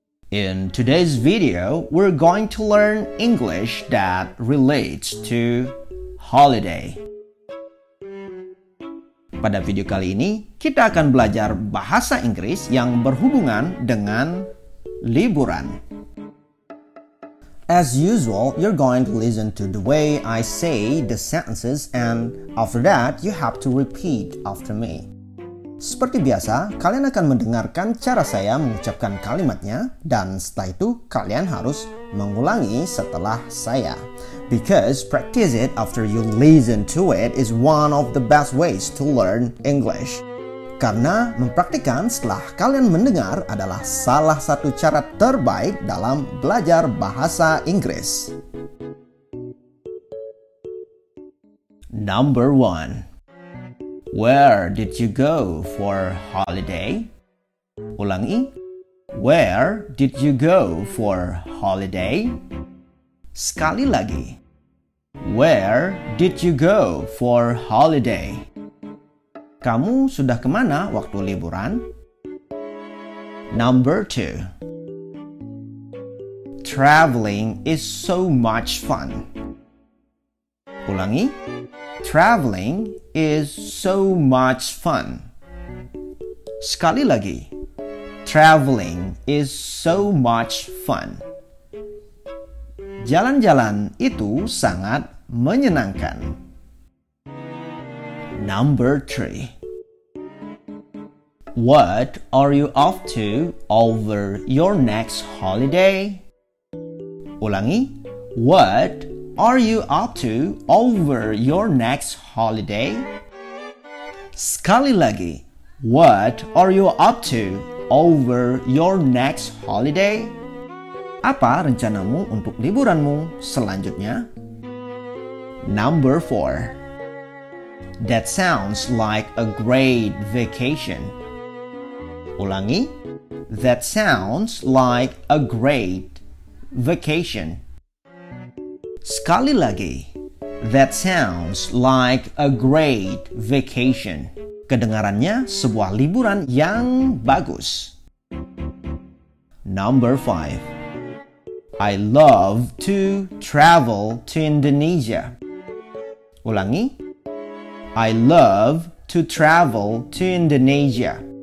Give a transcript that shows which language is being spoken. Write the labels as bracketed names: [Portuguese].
[English] In today's video, we're going to learn English that relates to holiday. [Indonesian] Pada video kali ini, kita akan belajar bahasa Inggris yang berhubungan dengan liburan. [English] As usual, you're going to listen to the way I say the sentences and after that, you have to repeat after me. [Indonesian] Seperti biasa, kalian akan mendengarkan cara saya mengucapkan kalimatnya dan setelah itu kalian harus mengulangi setelah saya. [English] Because practice it after you listen to it is one of the best ways to learn English. [Indonesian] Karena mempraktikkan setelah kalian mendengar adalah salah satu cara terbaik dalam belajar bahasa Inggris. [English] Number 1. Where did you go for holiday? [Indonesian] Ulangi. [English] Where did you go for holiday? [Indonesian] Sekali lagi. [English] Where did you go for holiday? [Indonesian] Kamu sudah kemana waktu liburan? [English] Number 2. Traveling is so much fun. [Indonesian] Ulangi. [English] Traveling is so much fun. [Indonesian] Sekali lagi. [English] Traveling is so much fun. [Indonesian] Jalan-jalan itu sangat menyenangkan. [English] Number 3. What are you off to over your next holiday? [Indonesian] Ulangi. [English] What are you up to over your next holiday? [Indonesian] Sekali lagi, [English] what are you up to over your next holiday? [Indonesian] Apa rencanamu untuk liburanmu selanjutnya? [English] Number 4. That sounds like a great vacation. [Indonesian] Ulangi. [English] That sounds like a great vacation. [Indonesian] Sekali lagi, [English] that sounds like a great vacation. [Indonesian] Kedengarannya sebuah liburan yang bagus. [English] Number 5. I love to travel to Indonesia. [Indonesian] Ulangi. [English] I love to travel to Indonesia.